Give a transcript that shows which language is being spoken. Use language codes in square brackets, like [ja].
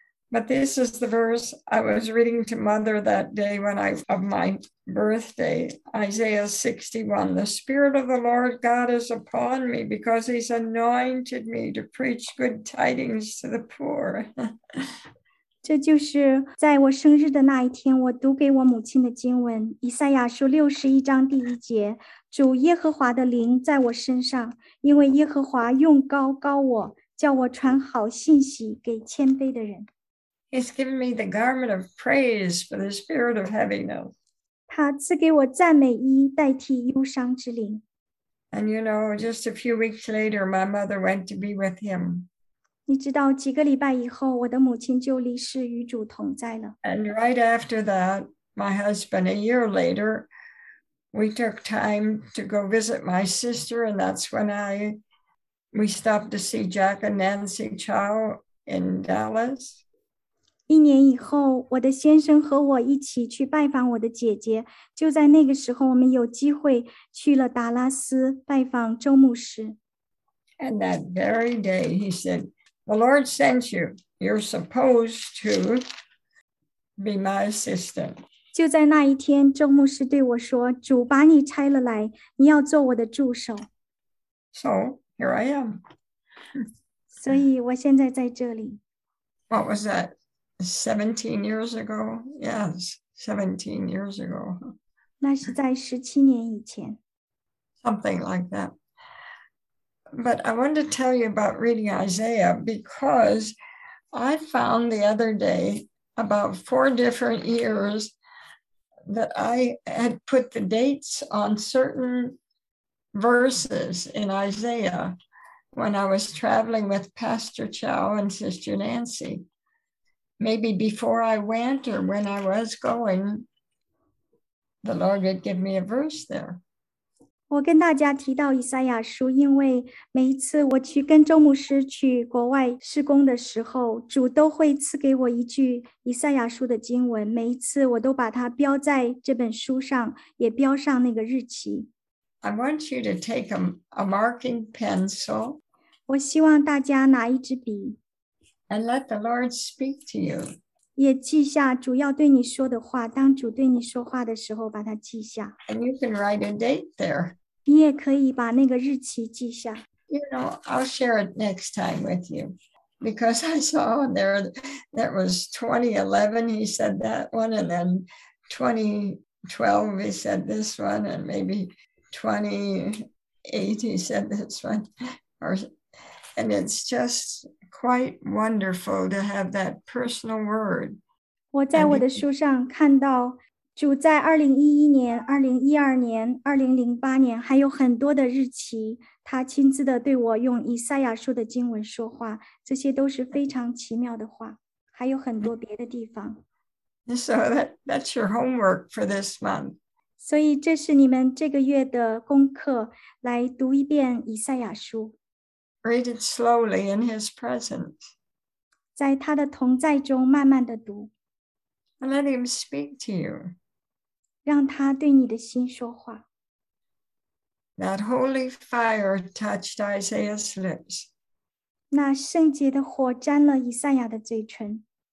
[en] But this is the verse I was reading to mother that day when I, of my birthday, Isaiah 61. The Spirit of the Lord God is upon me because he's anointed me to preach good tidings to the poor. [zh] 这就是在我生日的那一天我读给我母亲的经文，以赛亚书61:1。主耶和华的灵在我身上，因为耶和华用膏膏我，叫我传好信息给谦卑的人。 [en] He's given me the garment of praise for the spirit of heaviness. [zh] 他赐给我赞美衣代替忧伤之灵。 [en] And you know, just a few weeks later, my mother went to be with him. [zh] 你知道几个礼拜以后我的母亲就离世与主同在了。 [en] And right after that, my husband, a year later, we took time to go visit my sister, and that's when we stopped to see Jack and Nancy Chow in Dallas. [zh] 一年以后，我的先生和我一起去拜访我的姐姐。就在那个时候，我们有机会去了达拉斯拜访周牧师。 [en] And that very day, he said, "The Lord sent you. You're supposed to be my assistant." [zh] 就在那一天，周牧师对我说：“主把你差了来，你要做我的助手。 [en] ”So here I am. [zh] 所以我现在在这里。 [en] What was that? 17 years ago? Yes, 17 years ago. [zh] 那是在17年以前。 [en] Something like that. But I wanted to tell you about reading Isaiah because I found the other day about 4 different years that I had put the dates on certain verses in Isaiah when I was traveling with Pastor Chow and Sister Nancy. Maybe before I went or when I was going, the Lord would give me a verse there. [zh] 我跟大家提到以赛亚书，因为每一次我去跟周牧师去国外施工的时候，主都会赐给我一句以赛亚书的经文，每一次我都把它标在这本书上，也标上那个日期。 [en] I want you to take a marking pencil. [zh] 我希望大家拿一支笔。 [en] And let the Lord speak to you. [zh] 也记下主要对你说的话，当主对你说话的时候把它记下。 [en] And you can write a date there. [zh] 你也可以把那个日期记下。 [en] You know, I'll share it next time with you. Because I saw there, that was 2011, he said that one, and then 2012, he said this one, and maybe 2008, he said this one. And it's just quite wonderful to have that personal word. [zh] 我在我的书上看到主在2011年、2012年、2008年还有很多的日期，他亲自的对我用以赛亚书的经文说话，这些都是非常奇妙的话，还有很多别的地方。 [en] So that's your homework for this month. [zh] 所以这是你们这个月的功课，来读一遍以赛亚书。 [en] Read it slowly in his presence. [zh] 在他的同在中慢慢地读。 [en] Let him speak to you. [zh] 让他对你的心说话。 [en] That holy fire touched Isaiah's lips. [zh] 那圣洁的火沾了以赛亚的嘴唇。